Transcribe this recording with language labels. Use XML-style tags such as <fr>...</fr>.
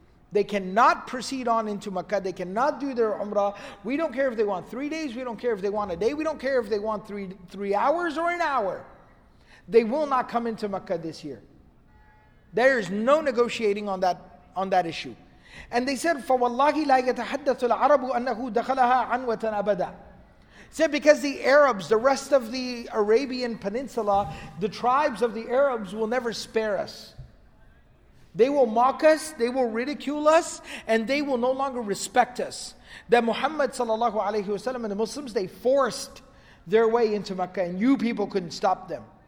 <en>They cannot proceed on into Makkah. They cannot do their Umrah. We don't care if they want 3 days. We don't care if they want a day. We don't care if they want three hours or an hour. They will not come into Makkah this year. There is no negotiating on that issue. And they said,</en> <ar>فَوَاللَّهِ لَا يَتَحَدَّثُ الْعَرَبُ أَنَّهُ دَخَلَهَا عَنْوَةً أَبَدًا.</ar> <en>Said, because the Arabs, the rest of the Arabian Peninsula, the tribes of the Arabs will never spare us. They will mock us, they will ridicule us, and they will no longer respect us. That Muhammad sallallahu alayhi wasallam and the Muslims, they forced their way into Mecca, and you people couldn't stop them.</en>